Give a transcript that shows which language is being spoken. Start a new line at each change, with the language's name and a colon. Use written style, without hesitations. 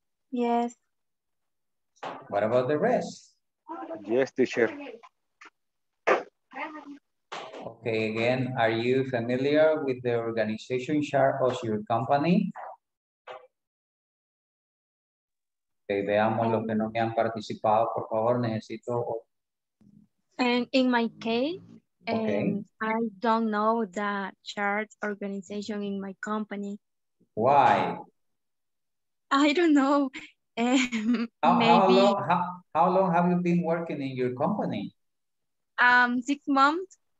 English: Yes. What about the rest? Yes, teacher. Okay, again, are you familiar with the organization chart of your company?
Spanish: Okay, veamos los que no me han participado, por favor, necesito.
English: And in my case, okay. I don't know the chart organization in my company. Why? I don't know. How long have you been working in your company? 6 months.